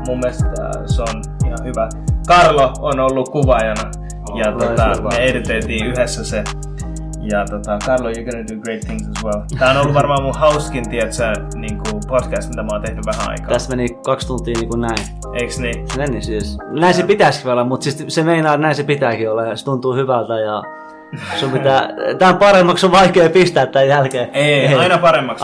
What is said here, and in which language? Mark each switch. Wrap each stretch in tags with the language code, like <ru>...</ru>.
<fi>Mun mielestä se on ihan hyvä. Karlo on ollut kuvaajana. Ja me editeitiin yhdessä se.</fi> <en>Ja Karlo, you're gonna do great things as well.</en> <fi>Tää on ollut varmaan mun hauskin, tiedätkö, niin kuin podcast, mitä mä oon tehnyt vähän aikaa. Tässä meni 2 tuntia niin kuin näin. Eiks niin? Meni siis. Näin se pitäisikin olla, mutta siis se meinaa, että näin se pitääkin olla ja se tuntuu hyvältä ja sun pitää... Tää on paremmaksi, on vaikea pistää tämän jälkeen. Ei, aina paremmaksi.</fi>